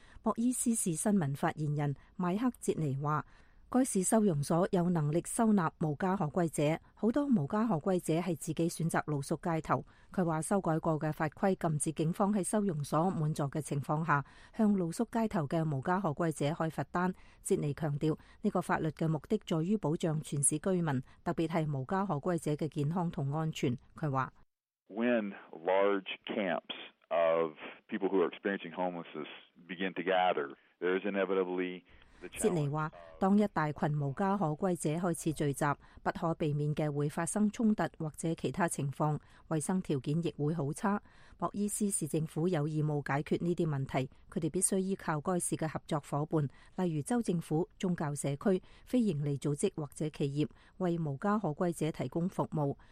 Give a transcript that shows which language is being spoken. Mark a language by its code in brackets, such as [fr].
[zh] 博伊斯市新闻发言人迈克哲尼说，该市收容所有能力收纳无家可归者，很多无家可归者是自己选择露宿街头。他说修改过的法规禁止警方在收容所满座的情况下向露宿街头的无家可归者开罚单。哲尼强调，这个法律的目的在于保障全市居民，特别是无家可归者的健康和安全。他说 [en] When large camps of people who are experiencing homelessness begin to gather, there is inevitably [zh] 哲尼说，当一大群无家可归者开始聚集，不可避免的会发生冲突或者其他情况，卫生条件亦会很差。博伊斯市政府有义务解决这些问题，他们必须依靠该市的合作伙伴，例如州政府、宗教社区、非营利组织或者企业，为无家可归者提供服务。